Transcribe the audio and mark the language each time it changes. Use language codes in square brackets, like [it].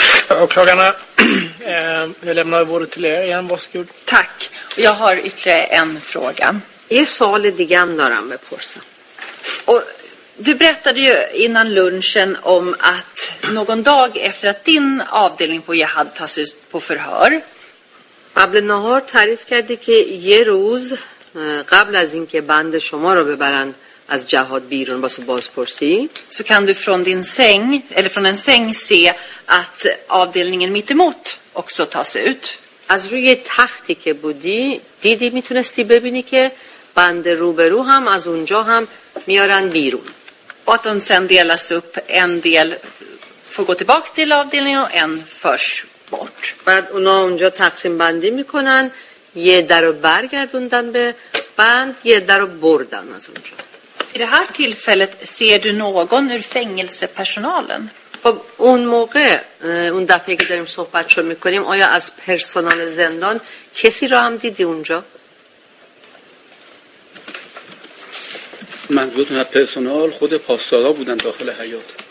[sv] Åklagarna, jag lämnar bordet till er igen. Varsågod. Tack. Jag har ytterligare en fråga. Är Sali Digandara med Porsa? Och du berättade ju innan lunchen om att någon dag efter att din avdelning på Jihad tas ut på förhör. [fa] قبل نهار تعریف کردی که یه روز قبل از اینکه بند شما رو ببرن از جهاد بیرون واسه بازپرسی [sv] så kan du från din säng eller från en säng se att avdelningen mitt emot också tas ut. [fa] از روی تختی که بودی دیدی میتونستی ببینی که بند روبرو هم از اونجا هم میارن بیرون. [sv] Och att de sen delas upp, en del får gå tillbaka till avdelningen och en förs bort. [fa] بعد اونا اونجا تقسیم بندی میکنن، یه درو برگردوندن به بند، یه درو بردن از اونجا. [sv] I det här tillfället ser du någon ur fängelsepersonalen? [fa] خب اون موقع اون دفعه که داریم صحبت شو میکنیم آیا از پرسنال زندان کسی رو هم دیدی اونجا؟ منظورتون از پرسنال خود پاسدارا بودن داخل حیات.